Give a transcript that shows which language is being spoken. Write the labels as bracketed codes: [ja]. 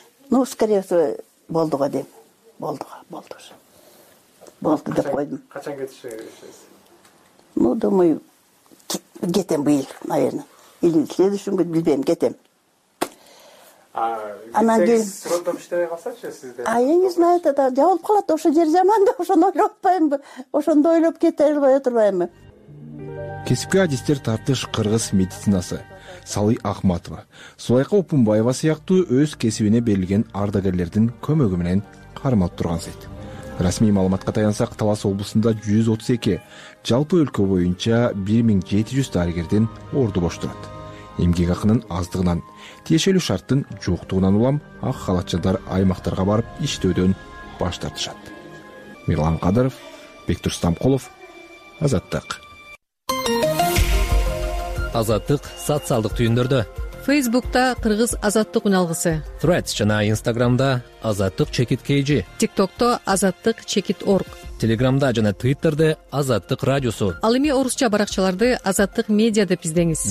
[ru] Ну, скорее всего, [ky] болду го дейм. Болду го, болду же. Болду деп койдум. Качан кетиши керексиз? [ru] Ну, думаю, [ky] кетем быйыл, [ru] наверное. Или следующий год, [ky] билбейм, кетем. Анан сурондом иштебей калсачы сизде? [ru] А я не знаю, тогда [ky] жабылып калат, ошо жер жаман да, ошону ойлоп атпаймынбы, ошондо ойлоп кете албай отурбаймынбы. Кесипке адистер тартыш кыргыз медицинасы. Салый Акматова, Сулайка Опунбаева сыяктуу өз кесибине берилген ардагерлердин көмөгү менен кармалып тургансыйт. Расмий маалыматка таянсак, Талас облусунда 132, жалпы өлкө боюнча 1700 дарыгердин орду бош турат. Эмгек акынын аздыгынан, тиешелүү шарттын жоктугунан улам ак халат жандар аймактарга барып иштөөдөн баш тартышат. Мирлан Кадыров, Бектур Стамколов, Азаттык. Азаттык социалдык түйүндөрдө. Фейсбукта кыргыз азаттык уналгысы. Threads жана Instagramда азаттык чекит KG. TikTokто азаттык чекит org. Telegramда жана Twitterде азаттык радиосу. Ал эми орусча баракчаларды азаттык медиа деп издеңиз.